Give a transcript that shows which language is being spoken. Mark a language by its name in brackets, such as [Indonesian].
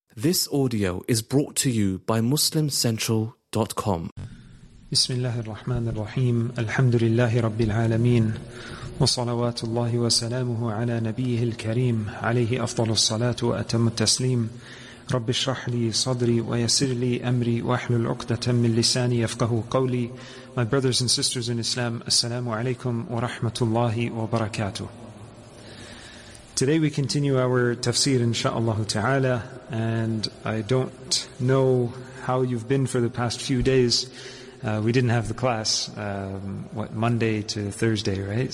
[English] This audio is brought to you by MuslimCentral.com. [Arabic] بسم الله الرحمن الرحيم الحمد لله رب العالمين وصلوات الله وسلامه على نبيه الكريم عليه أفضل الصلاة وأتم التسليم رب اشرح لي صدري ويسر لي أمري واحلل عقدة من لساني يفقه قولي. [English] My brothers and sisters in Islam, [Arabic] السلام عليكم ورحمة الله وبركاته. [English] Today we continue our tafsir insha'Allah ta'ala, and I don't know how you've been for the past few days. We didn't have the class, Monday to Thursday, right?